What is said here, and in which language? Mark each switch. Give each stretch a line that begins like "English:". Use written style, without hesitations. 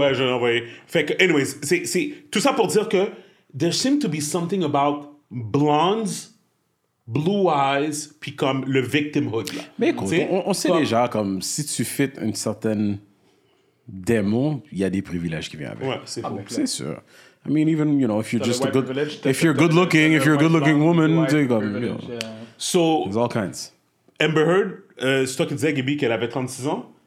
French: Ouais, je vais l'envoyer. Fait que,
English: anyways,
French: c'est... Tout ça pour dire que
English: there seems to be something about blondes, blue eyes,
French: puis comme le victimhood. Là. Mais écoute, on sait déjà, comme si tu fais une certaine... démon, il y a des privilèges qui viennent avec. Ouais, c'est, fou. C'est sûr.
English: I mean, even, you know, if you're just a good... If you're good-looking, if you're a good-looking woman,
French: tu sais, comme,
English: you know. Yeah. So... There's all kinds.
French: Amber Heard, c'est toi qui disais, Gabby, qu'elle avait 36 ans.